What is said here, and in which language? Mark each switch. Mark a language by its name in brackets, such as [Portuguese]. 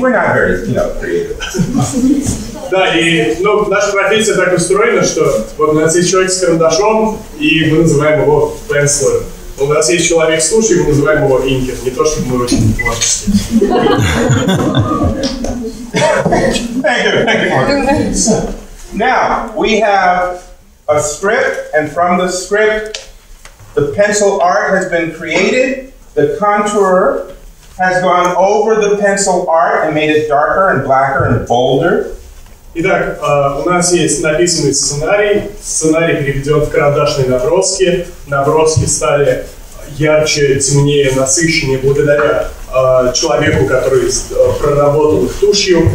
[English] We're not very, you know, creative. [Russian] Да, и, ну, наша профессия так устроена, что вот у нас есть человек с карандашом, и мы называем его penciler. У нас есть человек с тушью, и мы называем его инкер. Не то, чтобы мы очень творческие. [English] Thank you. Now, we have a script, and from the script, the pencil art has been created. The contourer has gone over the pencil art and made it darker and blacker and bolder. [Russian] Итак, у нас есть написанный сценарий. Сценарий переведен в карандашные наброски. Наброски стали ярче, темнее, насыщеннее благодаря человеку, который проработал их тушью.